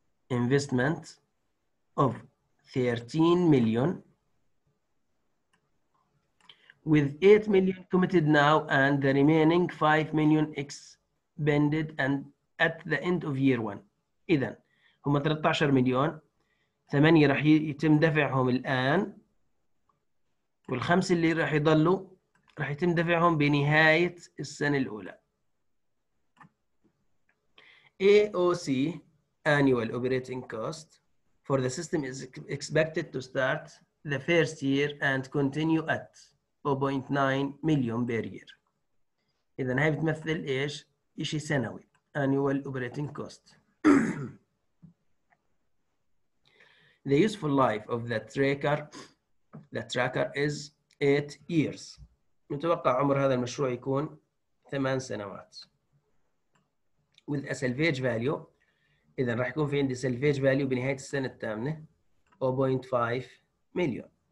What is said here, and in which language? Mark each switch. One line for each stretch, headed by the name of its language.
English: investment of 13 million with 8 million committed now and the remaining 5 million expended and at the end of year one.
Arabic: إذن هم 13 مليون 8 راح يتم دفعهم الآن والخمس اللي راح يضلوا راح يتم دفعهم بنهاية السنة الأولى.
English: AOC annual operating cost for the system is expected to start the first year and continue at 4.9 million per year.
Arabic: إذا هاي بتمثل إيش؟ إشي سنوي
English: annual operating cost. The useful life of the tracker is 8 years.
Arabic: متوقع عمر هذا المشروع يكون 8 سنوات.
English: With a salvage value,
Arabic: إذا راح يكون في عندي salvage value بنهاية السنة الثامنة 0.5 مليون.